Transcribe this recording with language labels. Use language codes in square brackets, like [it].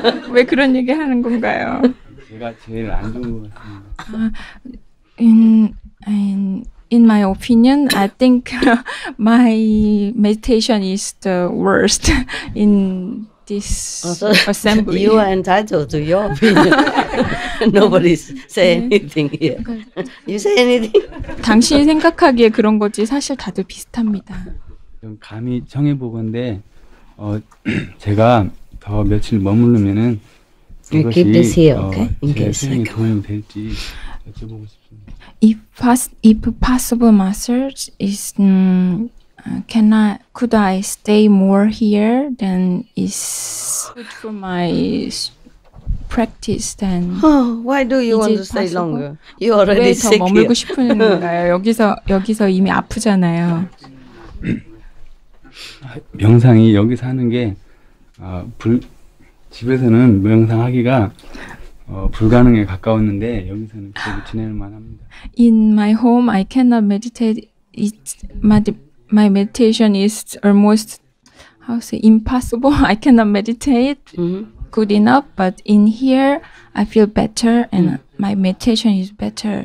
[ko] 왜 그런 얘기 하는 건가요? 제가 제일 안 좋은 것 같습니다. [en] In my opinion, I think my meditation is the worst in this assembly. You are entitled to your opinion. Nobody's say anything here. You say anything? [ko] 당신이 생각하기에 그런 거지 사실 다들 비슷합니다. 좀 감히 정해 보건데 제가 더 며칠 머무르면은 그것이 제 수행에 도움이 될지 여쭤보고 싶습니다. [en] If possible, Master, is could I stay more here than is good for my practice? Then why do you want to stay longer? You already sick. [ko] 왜 더 머물고 싶은 건가요? 여기서 이미 아프잖아요. 명상이 여기서 하는 게 집에서는 명상하기가 불가능에 가까웠는데 여기서는 그렇게 지낼 만합니다. [en] In my home, I cannot meditate. My meditation is almost how to say impossible. I cannot meditate good enough. But in here, I feel better and my meditation is better.